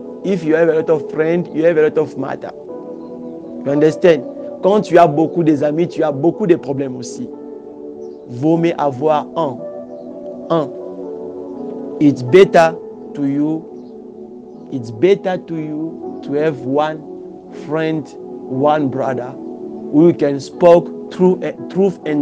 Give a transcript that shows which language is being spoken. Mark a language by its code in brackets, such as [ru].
[en] If you have a lot of friends, you have a lot of matter. You understand? [fr] Quand tu as beaucoup d'amis, tu as beaucoup de problèmes aussi. Vaut mieux avoir un. [en] It's better to you to have one friend, one brother, who you can speak truth.